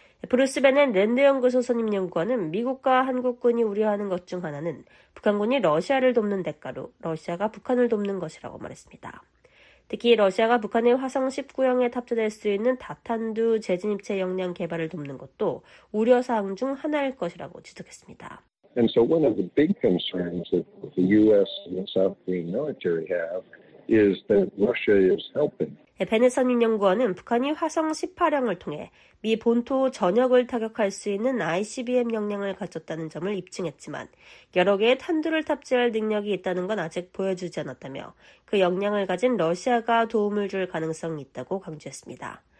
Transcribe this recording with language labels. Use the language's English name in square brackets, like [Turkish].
[Korean] 브루스 베넨 랜드연구소 선임 연구원은 미국과 한국군이 우려하는 것 중 하나는 북한군이 러시아를 돕는 대가로 러시아가 북한을 돕는 것이라고 말했습니다. 특히 러시아가 북한의 화성 19형에 탑재될 수 있는 다탄두 재진입체 역량 개발을 돕는 것도 우려 사항 중 하나일 것이라고 지적했습니다. [English] And so one of the big concerns that the US and the South Korean military have is that Russia is helping. [Korean] 베네선 인연구원은 북한이 화성 18형을 통해 미 본토 전역을 타격할 수 있는 ICBM 역량을 가졌다는 점을 입증했지만 여러 개의 탄두를 탑재할 능력이 있다는 건 아직 보여주지 않았다며 그 역량을 가진 러시아가 도움을 줄 가능성이 있다고 강조했습니다.